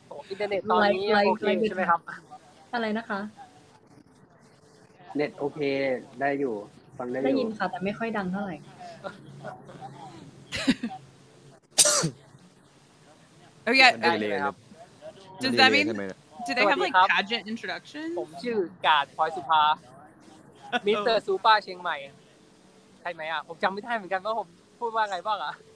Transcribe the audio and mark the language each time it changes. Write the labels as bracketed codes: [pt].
[th] อินเทอร์เน็ตตอนนี้โอเคใช่ไหมครับ อะไรนะคะ เน็ตโอเคได้อยู่ ได้ยินค่ะแต่ไม่ค่อยดังเท่าไหร่ โอเคได้เลยครับ [en] Does that mean do they have like pageant introduction [th] ผมชื่อกาดพลอยสุภามิสเตอร์ซูเปอร์เชียงใหม่ใช่ไหมอ่ะผมจำไม่ได้เหมือนกันว่าผมพูดว่าไงบ้างอ่ะ